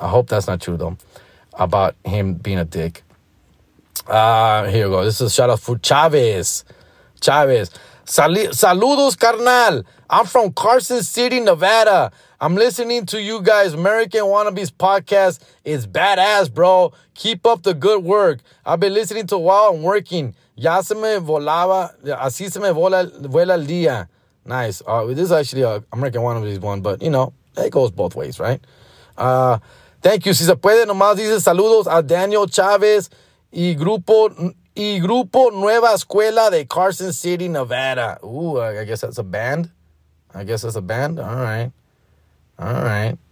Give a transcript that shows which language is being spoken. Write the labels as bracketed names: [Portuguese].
[English] I hope that's not true, though, about him being a dick. Here we go. This is a shout-out for Chavez. Chavez. [Spanish] Saludos, carnal. [English] I'm from Carson City, Nevada. I'm listening to you guys, American Wannabes podcast. It's badass, bro. Keep up the good work. I've been listening to while I'm working. [Spanish] Ya se me volaba, así se me vuela el día. [English] Nice. This is actually an American Wannabes one, but, you know, it goes both ways, right? Thank you. [Spanish] Si se puede, nomás dice saludos a Daniel Chavez y Grupo Nueva Escuela de Carson City, Nevada. [English] Ooh, I guess that's a band. All right. All right.